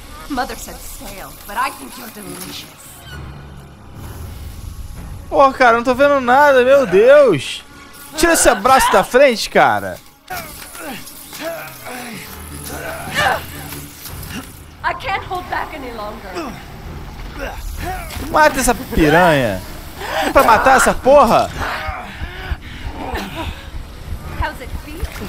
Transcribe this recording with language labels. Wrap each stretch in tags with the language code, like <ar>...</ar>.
<en>Mother said stale, but I think you're delicious.</en> <pt>Porra, cara, não tô vendo nada, meu Deus. Tira esse braço da frente, cara.</pt> <en>I can't hold back any longer.</en> <pt>Mata essa piranha. É pra matar essa porra.</pt> <en>How's it feel?</en>